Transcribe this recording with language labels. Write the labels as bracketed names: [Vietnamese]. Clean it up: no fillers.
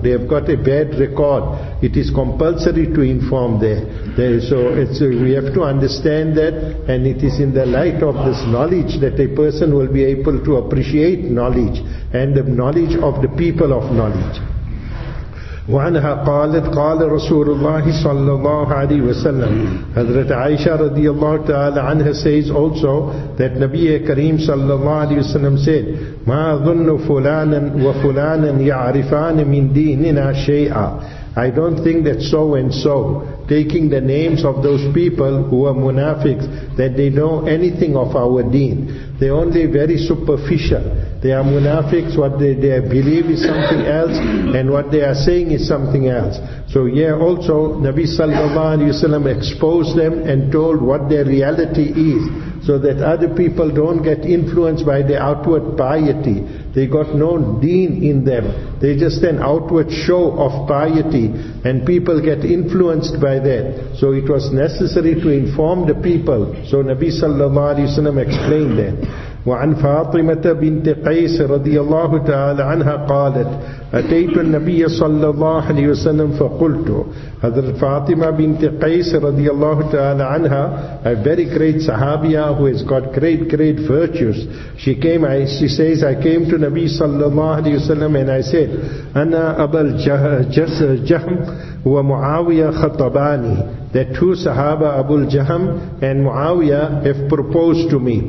[English] They have got a bad record. It is compulsory to inform them. We have to understand that, and it is in the light of this knowledge that a person will be able to appreciate knowledge and the knowledge of the people of knowledge. [Arabic] وعنها قالت قال رسول الله صلى الله عليه وسلم حضرت عائشة رضي الله تعالى عنها [English] says also that [Arabic] نبي كريم صلى الله عليه وسلم [English] said [Arabic] ما ظن فلانا وفلانا يعرفان من ديننا شيئا. [English] I don't think that so and so, taking the names of those people who are munafiqs, that they know anything of our deen. They are only very superficial. They are munafiqs, what they believe is something else, and what they are saying is something else. So yeah, also Nabi sallallahu alayhi wa sallam exposed them and told what their reality is, so that other people don't get influenced by their outward piety. They got no deen in them. They just an outward show of piety, and people get influenced by that. So it was necessary to inform the people. So Nabi sallallahu alayhi wa sallam explained that. [Arabic] وعن فاطمة بنت قيس رضي الله تعالى عنها قالت أتيت النبي صلى الله عليه وسلم فقلت. [English] حضرت فاطمة بنت قيس [Arabic] رضي الله تعالى عنها, [English] a very great Sahabiya who has got great great virtues, she says I came to Nabi صلى الله عليه وسلم and I said [Arabic] أنا أبا الجهم ومعاوية خطباني, [English] that two Sahaba, Abul Jahm and Muawiyah, have proposed to me.